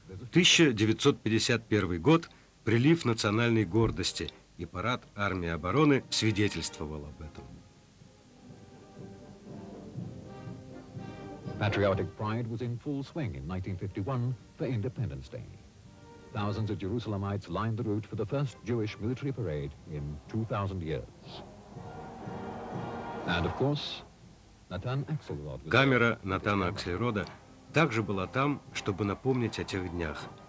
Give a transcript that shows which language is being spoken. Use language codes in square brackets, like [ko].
[ru] 1951 год – прилив национальной гордости, и парад армии обороны свидетельствовал об этом. [en] Patriotic pride was in full swing in 1951 for Independence Day. Thousands of Jerusalemites lined the route for the first Jewish military parade in 2000 years. And of course, Natan Axelrod. [ru] Камера Натана Аксельрода также была там, чтобы напомнить о тех днях.